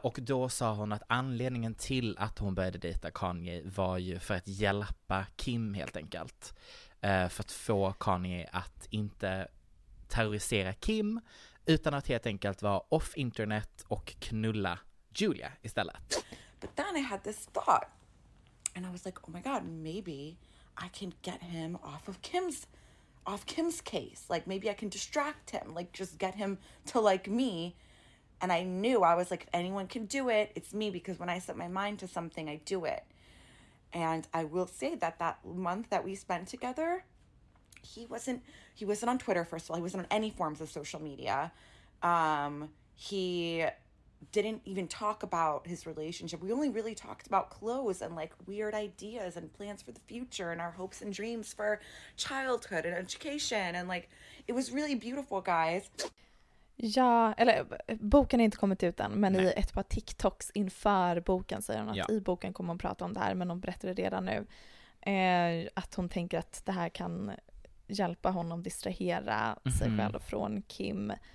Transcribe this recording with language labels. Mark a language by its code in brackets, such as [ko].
[sv] Och då sa hon att anledningen till att hon började dejta Kanye var ju för att hjälpa Kim helt enkelt. För att få Kanye att inte terrorisera Kim, utan att helt enkelt vara [en] off internet [sv] och knulla Julia istället. [en] But then I had this thought and I was like, oh my god, maybe I can get him off Kim's case. Like maybe I can distract him, like just get him to like me. And I knew, I was like, if anyone can do it, it's me, because when I set my mind to something, I do it. And I will say that month that we spent together, He wasn't on Twitter, first of all. He wasn't on any forms of social media. He didn't even talk about his relationship. We only really talked about clothes and like weird ideas and plans for the future and our hopes and dreams for childhood and education. And like, it was really beautiful, guys. [sv] Ja, eller boken är inte kommit ut än, men nej, i ett par TikToks inför boken säger hon att ja, i boken kommer hon prata om det här, men hon berättade redan nu att hon tänker att det här kan hjälpa honom distrahera sig själv från Kim.